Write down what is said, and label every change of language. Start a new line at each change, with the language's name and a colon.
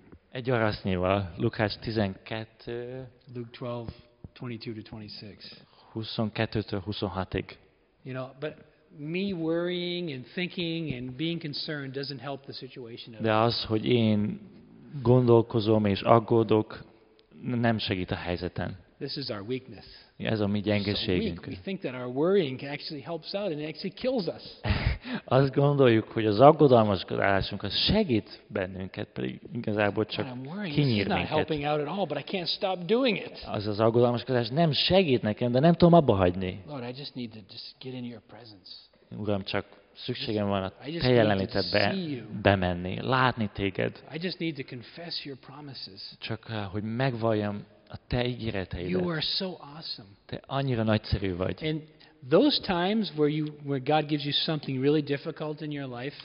Hungarian: Egy arasznyival, Lukács 12.
English: Luke 12:22-26. But me worrying and thinking and being concerned doesn't help the situation at all.
Hungarian: De az, hogy én gondolkozom és aggódok, nem segít a helyzeten.
English: This is our weakness.
Hungarian: Ez a mi gyengeségünk.
English: So we think that our worrying actually helps out and it actually kills us.
Hungarian: Azt gondoljuk, hogy az aggodalmaskodásunk az segít bennünket, pedig igazából csak kinyír minket.
English: It's not helping out at all, but I can't stop doing it.
Hungarian: Az aggodalmaskodás nem segít nekem, de nem tudom abba hagyni.
English: Lord, I just need to just get in your presence.
Hungarian: Uram, csak szükségem van a te jelenlétedbe bemenni, látni téged.
English: I just need to confess your promises.
Hungarian: Csak hogy megvalljam a te ígéreteidet.
English: You are so awesome.
Hungarian: Te annyira nagyszerű vagy.
English: And those times where God gives you something really difficult in your life.